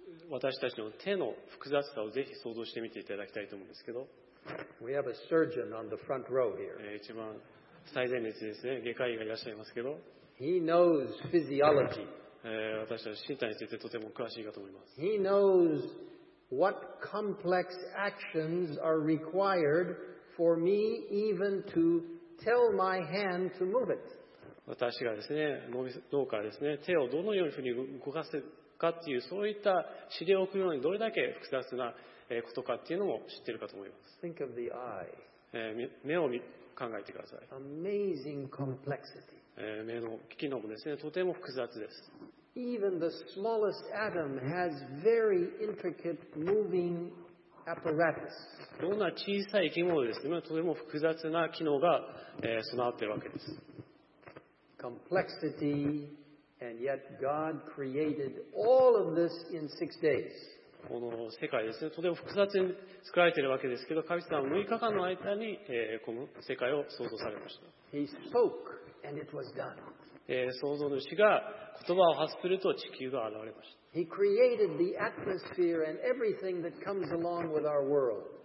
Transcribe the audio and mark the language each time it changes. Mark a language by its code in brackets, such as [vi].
[ja] 私たちの手の複雑さをぜひ想像してみていただきたいと思うんですけど、 [en] We have a surgeon on the front row here. [ja] 一番最前列ですね、外科医がいらっしゃいますけど、 [en] He knows physiology. [ja] 私たち身体についてとても詳しいかと思います。 [en] He knows what complex actions are required for me even to tell my hand to move it. [ja] 私がですね、脳からですね、手をどのように動かすかっていう、そういった指令を送るのにどれだけ複雑なことかっていうのも知ってるかと思います。 [en] Think of the eye. [ja] 目を考えてください。 [en] Amazing complexity. [ja] 目の機能もですね、とても複雑です。 [en] Even the smallest atom has very intricate moving apparatus. [ja] どんな小さい生き物ですね、とても複雑な機能が備わっているわけです。 [en] Complexity and yet God created all of this in six days. [ja] この世界ですね、とても複雑に作られているわけですけど、神様は6日間の間に、この世界を創造されました。 [en] He spoke and it was done. [ja] 創造主が言葉を発すると地球が現れました。 [en] He created the atmosphere and everything that comes along with our world.